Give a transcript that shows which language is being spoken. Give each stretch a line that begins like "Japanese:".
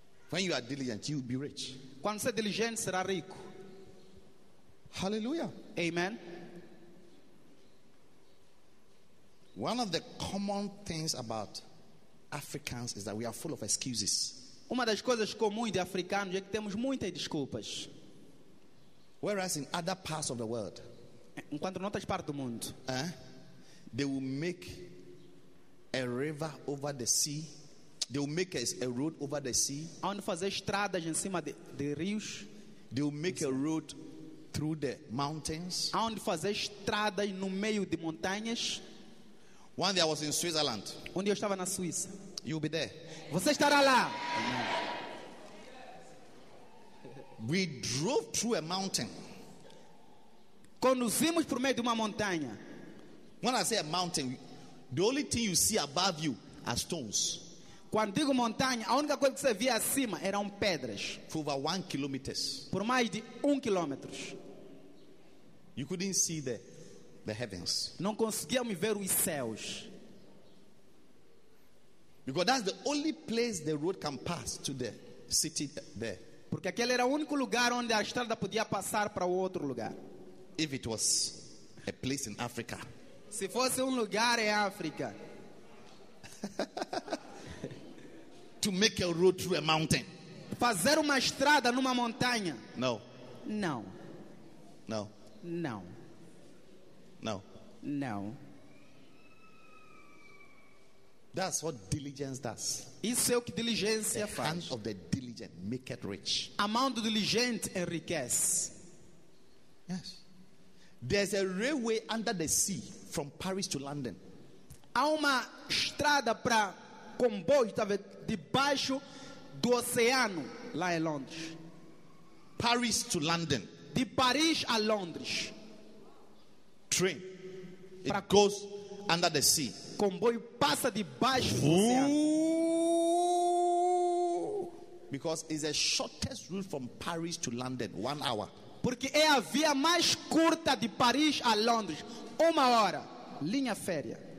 English: When you are diligent, you will be rich.
Portuguese: Quando você é diligente, será rico.
English: Hallelujah.
Portuguese: Amen.
English: One of the common things about Africans is that we are full of excuses.
Portuguese: Uma das coisas comuns de africanos é que temos muitas desculpas.
English: Whereas in other parts of the world,
Portuguese: enquanto noutras partes do mundo,
English: they will make a river over the sea, they will make a road over the sea.
Portuguese: Onde fazer estradas em cima de rios,
English: they will make a road through the mountains.
Portuguese: Onde fazer estradas no meio de montanhas.
English: One day I was in Switzerland.
Portuguese: Onde eu estava na Suíça.
English: You'll be there.
Portuguese: Você estará lá.
English: We drove through a mountain.
Portuguese: conduzimos por meio de uma montanha.
English: When I say a mountain, the only thing you see above you are stones.
Portuguese: Quando digo montanha, a única coisa que você via acima eram pedras.
English: For over 1 kilometer.
Portuguese: Por mais de 1 quilômetro.
English: You couldn't see the heavens.
Portuguese: Não conseguiam ver os céus.
English: Because that's the only place the road can pass to the city there.
Portuguese: Porque aquele era o único lugar onde a estrada podia passar para o outro lugar.
English: If it was a place in Africa.
Portuguese: Se fosse lugar em África.
English: To make a road through a mountain.
Portuguese: Fazer uma estrada numa montanha.
English: No. No. No. No. No. No. That's what diligence does.
Portuguese: Isso é o que diligência faz.
English: Hand of the diligent make it rich.
Portuguese: A mão do diligente enriquece.
English: Yes. There's a railway under the sea from Paris to London.
Portuguese: Há uma estrada para comboio, estava debaixo do oceano lá em Londres.
English: Paris to London.
Portuguese: De Paris a Londres.
English: Train. It pra goes under the sea.
Portuguese: Comboio passa debaixo do oceano.
English: Because it's the shortest route from Paris to London, 1 hour.
Portuguese: Porque é a via mais curta de Paris a Londres, 1 hora, linha férrea.